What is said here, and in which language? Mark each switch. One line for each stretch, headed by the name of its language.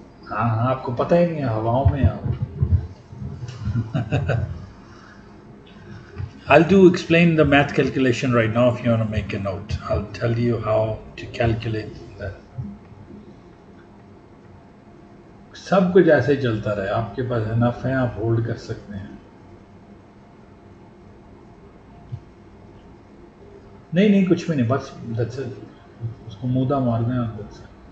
Hindi: हाँ हाँ, आपको पता ही नहीं है, हवाओं में आओ.
English: I'll do explain the math calculation right now if you want to make a note. I'll tell you how to calculate that.
Hindi: सब कुछ ऐसे चलता रहे, आपके पास enough है, आप hold कर सकते हैं. नहीं नहीं कुछ भी नहीं, बस
English: that's it,
Hindi: उसको मुदा मार दें अंदर से.